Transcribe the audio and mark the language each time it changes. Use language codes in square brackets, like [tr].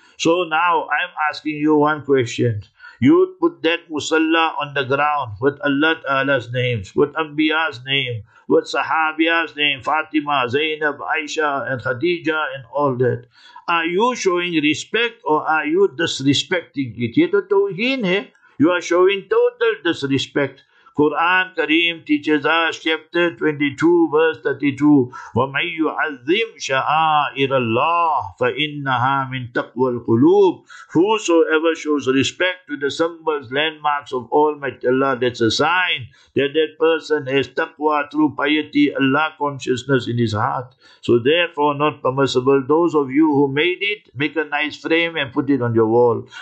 [en] So now I'm asking you one question. You put that musalla on the ground with Allah Ta'ala's names, with Anbiya's name, with Sahabiya's name, Fatima, Zainab, Aisha, and Khadija, and all that. Are you showing respect or are you disrespecting it? You are showing total disrespect. Quran Kareem teaches us, chapter 22, verse 32, [ar] وَمَنْ يُعَذِّمْ شَعَائِرَ اللَّهِ فَإِنَّهَا مِنْ تَقْوَى الْقُلُوبِ. [en] Whosoever shows respect to the symbols, landmarks of Almighty Allah, that's a sign that that person has taqwa, through piety, Allah consciousness in his heart. So therefore, not permissible. Those of you who made it, make a nice frame and put it on your wall.